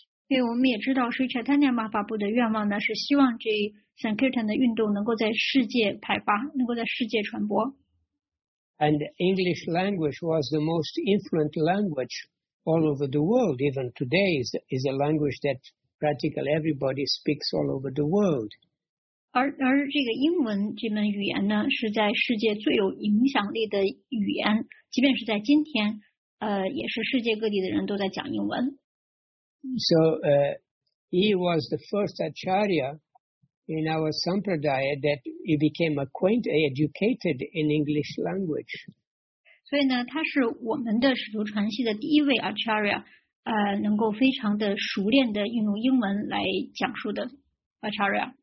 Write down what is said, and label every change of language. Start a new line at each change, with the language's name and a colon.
Chinese: 对，我们也知道是 Chaitanya Mahaprabhu 的愿望呢，是希望这 Sankirtan 的运动能够在世界派发，能够在世界传播。
English: And English language was the most influential language all over the world. Even today is a language that practically everybody speaks all over the world.
Chinese: 而这个英文这门语言呢，是在世界最有影响力的语言，即便是在今天，也是世界各地的人都在讲英文。
English: So, he was the first Acharya in our Sampradaya that he became educated in English language.
Chinese: 所以呢，他是我们的使徒传系的第一位 Acharya, 能够非常的熟练的运用英文来讲述的 Acharya.